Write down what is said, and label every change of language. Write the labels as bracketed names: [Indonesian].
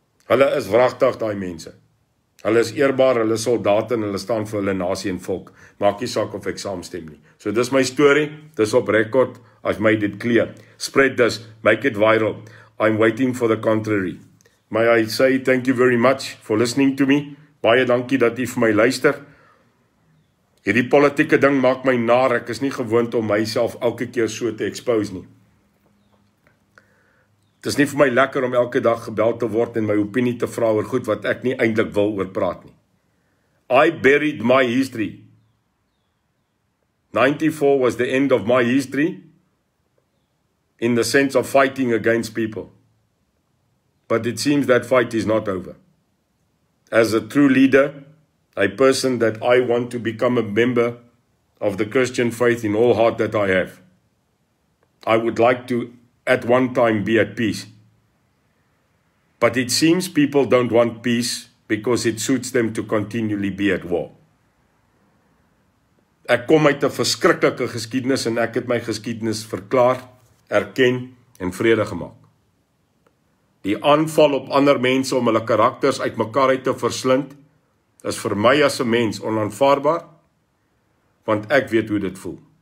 [Afrikaans] Hulle is wragtig, die mense. Hulle is eerbaar, hulle is soldate, en hulle staan vir hulle nasie en volk. Maak nie saak of ek saamstem nie. So dis my story, dis op record, as my dit clear. [English] Spread this, make it viral. I'm waiting for the contrary. May I say thank you very much for listening to me. [Afrikaans] Baie dankie dat jy vir my luister. Hierdie politieke ding maak my naar. Ek is nie gewoond om myself elke keer so te expose nie. Het is nie vir my lekker om elke dag gebeld te word en my opinie te vra oor goed wat ek nie eindelijk wil oor praat nie. [English] I buried my history. 94 was the end of my history in the sense of fighting against people. But it seems that fight is not over. As a true leader, a person that I want to become a member of the Christian faith in all heart that I have, I would like to at one time be at peace. But it seems people don't want peace because it suits them to continually be at war. [Afrikaans] Ek kom uit 'n verskriklike geskiedenis en ek het my geskiedenis verklaar, erken en vrede gemaak. Die aanval op ander mense om hulle karakters uit mekaar uit te verslind, is vir my as 'n mens onaanvaarbaar, want ek weet hoe dit voel.